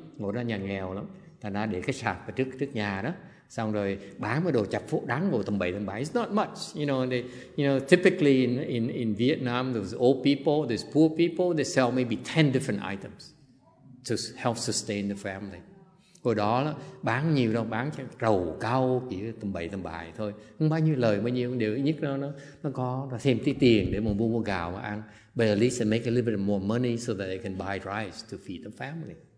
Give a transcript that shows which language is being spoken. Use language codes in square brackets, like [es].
[vi] Ngồi đó nhà nghèo lắm, thành ra để cái sạp ở trước nhà đó. Xong rồi bán cái đồ chập phụ đáng ngồi tầm bảy tầm bảy. [en] It's not much, you know. They, you know, typically in Vietnam, those old people, these poor people, they sell maybe 10 different items to help sustain the family. [vi] Hồi đó là bán nhiều đâu, bán rầu cau chỉ tầm bảy tầm bảy thôi. Không bao nhiêu lời, bao nhiêu điều nhất nó có nó thêm tí tiền để mà mua gạo mà ăn. [en] But at least they make a little bit more money so that they can buy rice to feed the family.